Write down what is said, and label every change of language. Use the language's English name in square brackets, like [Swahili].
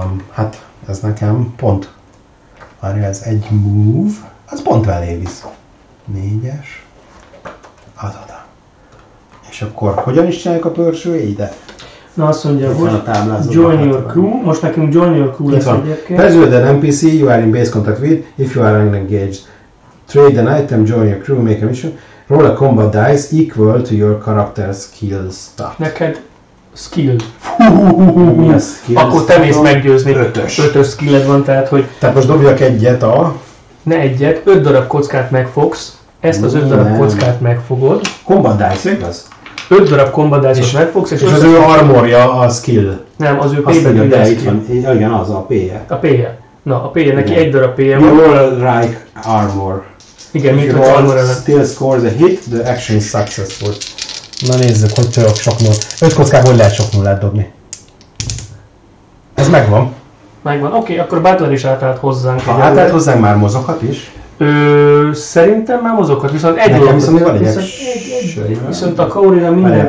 [Hungarian] Hát, ez nekem pont. Várj, ez egy move. Az pont elé visz. 4-es. Az. És akkor hogyan is csináljuk a pörsvédet? Na azt mondja, hogy join your crew. Most nekünk join your crew lesz egyébként. [English] Persuade an NPC, you are in base contact with, if you are unengaged. Trade an item, join your crew, make a mission. Roll a combat dice equal to your character skill stat. [Hungarian] Neked skill. Mi a skill? Akkor te mész meggyőzni. 5-ös. 5-ös skilled van, tehát hogy... Tehát most dobjak egyet a... Ne egyet, 5 darab kockát megfogsz. Ezt az 5 darab kockát megfogod. Combat dice, igaz? 5 darab combat dice-ot megfogsz. És az ő armorja a skill. Nem, az ő P-ben ügyes skill. Igen, az a P-je. A P-je. Na, a P-je, neki egy darab P-je van. [English] Roll like armor. [Hungarian] Igen, mint hogy armor ellen. [English] Still scores a hit, the action is successful. [Hungarian] Na nézzük, hogy csak sok null. 5 kockából lehet sok nullát dobni. Ez megvan. Megvan, oké, akkor Butler is átállt hozzánk. Ha átállt hozzánk, már mozoghat is? Szerintem már mozoghat, viszont egy dolog. Nekem viszont van egy action. Viszont a Kaorira minden